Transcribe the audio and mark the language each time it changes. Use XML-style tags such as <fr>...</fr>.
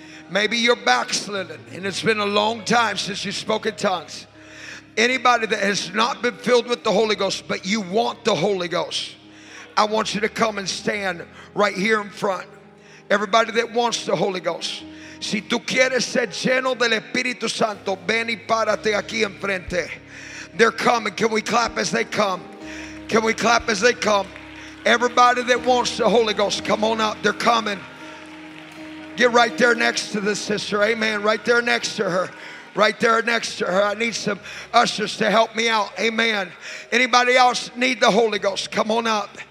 <en>Maybe you're backslidden and it's been a long time since you spoke in tongues. Anybody that has not been filled with the Holy Ghost, but you want the Holy Ghost, I want you to come and stand right here in front. Everybody that wants the Holy Ghost.</en> <es>Si tú quieres ser lleno del Espíritu Santo, ven y párate aquí enfrente.</es> <en>They're coming. Can we clap as they come? Can we clap as they come? Everybody that wants the Holy Ghost, come on up. They're coming. Get right there next to the sister. Amen. Right there next to her. Right there next to her. I need some ushers to help me out. Amen. Anybody else need the Holy Ghost? Come on up.</en>